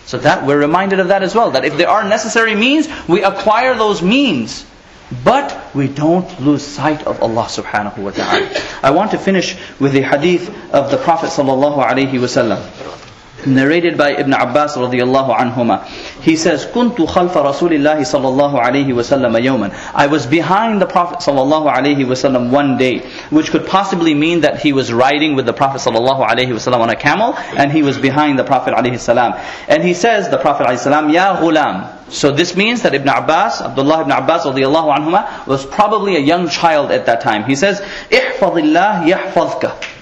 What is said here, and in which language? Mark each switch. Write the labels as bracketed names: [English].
[English] So that we're reminded of that as well. That if there are necessary means, we acquire those means. But we don't lose sight of Allah subhanahu wa ta'ala. I want to finish with the hadith of the Prophet sallallahu alayhi wa sallam, narrated by Ibn Abbas radiallahu anhuma. [Arabic] He says, كنت خلف رسول الله صلى الله عليه وسلم يوما. [English] I was behind the Prophet sallallahu alayhi wa sallam one day, which could possibly mean that he was riding with the Prophet sallallahu alayhi wa sallam on a camel, and he was behind the Prophet alayhi salam. And he says, the Prophet alayhi salam, [Arabic] يا غلام. [English] So this means that Ibn Abbas, Abdullah ibn Abbas radiallahu anhuma, was probably a young child at that time. He says, [Arabic] احفظ الله يحفظك.